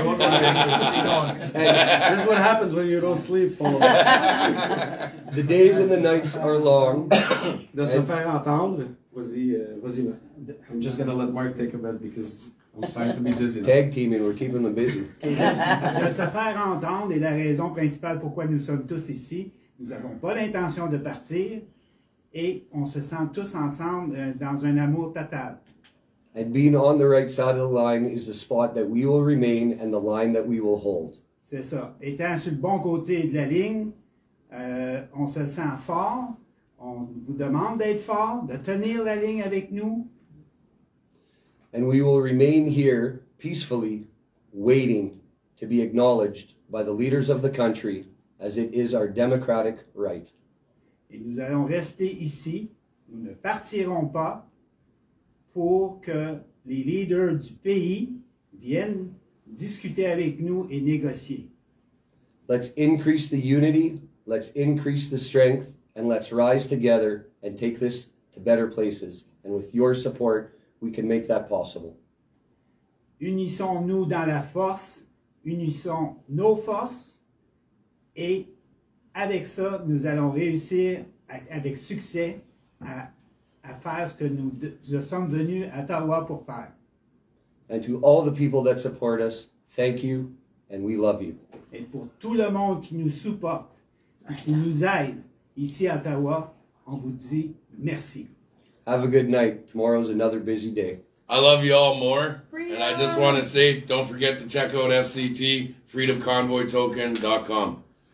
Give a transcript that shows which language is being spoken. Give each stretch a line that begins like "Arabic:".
English: This is what happens when you don't sleep. The days and the nights are long.
French: De se faire entendre. Vas-y.
English: I'm just gonna let Mark take a bed because I'm starting to be dizzy. Tag teaming, we're keeping them busy.
French: De se faire entendre est la raison principale pourquoi nous sommes tous ici. Nous n'avons pas l'intention de partir et on se sent tous ensemble dans un amour total.
English: And being on the right side of the line is the spot that we will remain and the line that we will hold.
French: C'est ça. Étant sur le bon côté de la ligne, on se sent fort. On vous demande d'être fort, de tenir la ligne avec nous.
English: And we will remain here peacefully waiting to be acknowledged by the leaders of the country as it is our democratic right.
French: Et nous allons rester ici. Nous ne partirons pas. Pour que les leaders du pays viennent discuter avec nous et négocier.
English: Let's increase the unity, let's increase the strength, and let's rise together and take this to better places. And with your support, we can make that possible.
French: Unissons-nous dans la force, unissons nos forces, et avec ça, nous allons réussir avec succès à faire ce que nous sommes venus à Ottawa pour faire.
English: And to all the people that support us, thank you, and we love you.
French: Et pour tout le monde qui nous supporte, qui nous aide ici à Ottawa, on vous dit merci.
English: Have a good night. Tomorrow's another busy day. I love you all more. Freedom. And I just want to say, don't forget to check out FCT, freedomconvoytoken.com.